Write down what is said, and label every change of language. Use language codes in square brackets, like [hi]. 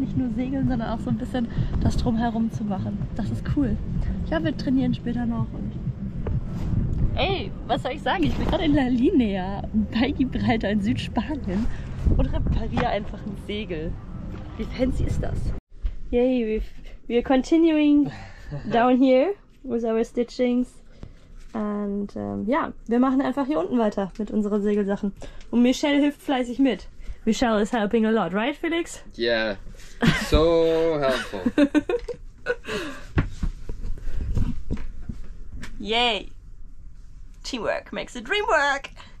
[de] Nicht nur segeln, sondern auch so ein bisschen das drumherum zu machen. Das ist cool. Ich glaube, wir trainieren später noch. Und ey, was soll ich sagen? Ich bin gerade in La Linea, bei Gibraltar in Südspanien und repariere einfach ein Segel. Wie fancy ist das? [en] Yay, we're continuing down here with our stitchings. [de] Und ja, wir machen einfach hier unten weiter mit unseren Segelsachen. Und Michelle hilft fleißig mit. [en] Michelle is helping a lot, right, Felix? Yeah, so helpful. Yay! Teamwork makes the dream work!